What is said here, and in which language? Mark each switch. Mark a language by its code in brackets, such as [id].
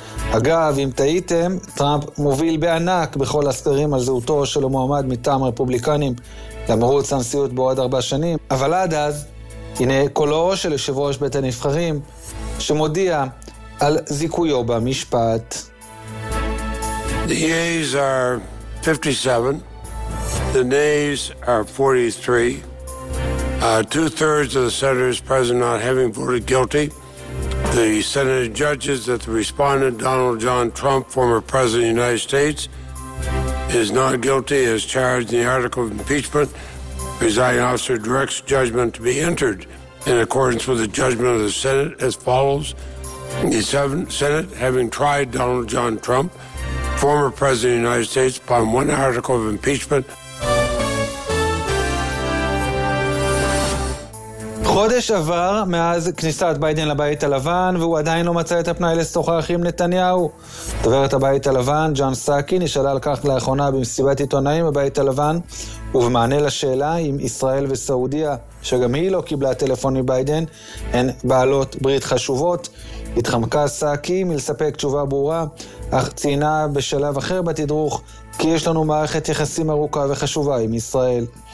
[he] אגב, אם טעיתם, טראמפ מוביל בענק בכל הסקרים על זהותו של המועמד מטעם רפובליקנים למרוץ הנשיאות בעוד 4 שנים. אבל עד אז, הנה קולו של יושב ראש בית הנבחרים שמודיע על זיכויו במשפט. [en] The yeas are 57, the nays are 43. Two-thirds of the senators present not having voted guilty. The Senate judges that the respondent, Donald John Trump, former president of the United States, is not guilty as charged in the article of impeachment. Presiding officer directs judgment to be entered in accordance with the judgment of the Senate as follows. The Senate, having tried Donald John Trump, former president of the United States, upon one article of impeachment, [he] חודש עבר מאז כניסת ביידן לבית הלבן, והוא עדיין לא מצא את הפנאי לשוחח עם נתניהו. דוברת הבית הלבן, ג'ון סאקי, נשאלה על כך לאחרונה במסיבת עיתונאים בבית הלבן, ובמענה לשאלה אם ישראל וסעודיה, שגם היא לא קיבלה טלפון מביידן, הן בעלות ברית חשובות, התחמקה סאקי מלספק תשובה ברורה, אך ציינה בשלב אחר בתדרוך, כי יש לנו מערכת יחסים ארוכה וחשובה עם ישראל.